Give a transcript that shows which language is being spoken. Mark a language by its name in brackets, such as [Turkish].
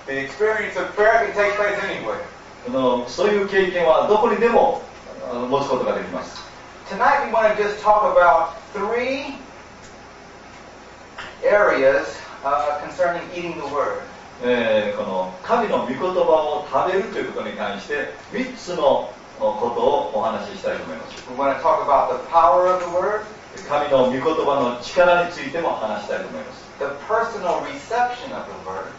[English] The experience of prayer can take place anywhere. [Japanese] そういう経験はどこにでも持つことができます。 [English] Tonight we want to just talk about three areas concerning eating the word. [Japanese] この神の御言葉を食べるということに関して3つのことをお話ししたいと思います。 [English] We want to talk about the power of the word. [Japanese] 神の御言葉の力についても話したいと思います。 [English] The personal reception of the word.